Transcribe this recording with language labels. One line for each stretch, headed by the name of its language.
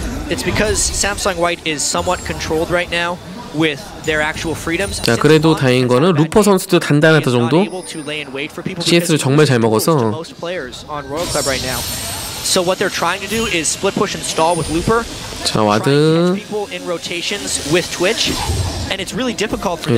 English: It's because Samsung White is somewhat controlled right now. With their actual freedoms.
Korean: 자 그래도 다행인 거는 루퍼 선수도 단단하다 정도. CS를 정말 잘 먹어서.
English: So what they're trying to do is split push and stall with Looper.
Korean: 자 와드.
English: In rotations with Twitch, and it's really difficult for them.